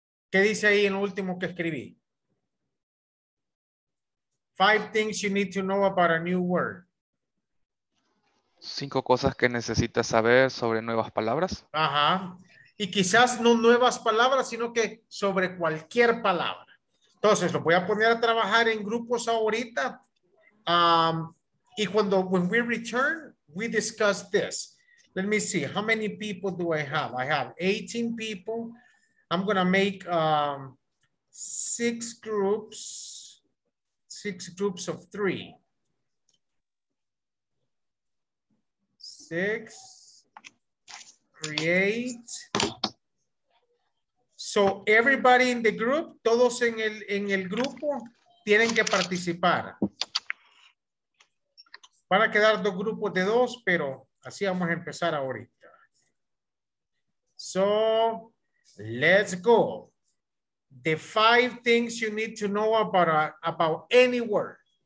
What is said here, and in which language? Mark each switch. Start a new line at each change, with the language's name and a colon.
Spanish: ¿Qué dice ahí en lo último que escribí?
English: Five things you need to know about a new word.
Spanish: Cinco cosas que necesitas saber sobre nuevas palabras. Ajá. Y quizás no nuevas palabras, sino que sobre cualquier palabra. Entonces, lo voy a poner a trabajar en grupos ahorita. Y cuando,
English: when we return, we discuss this. Let me see, how many people do I have? I have 18 people. I'm going to make six groups of three. Six, create. So everybody in the group,
Spanish: todos en el grupo, tienen que participar. Van a quedar dos grupos de dos, pero así vamos a empezar ahorita.
English: So, let's go. The five things you need to know about any word.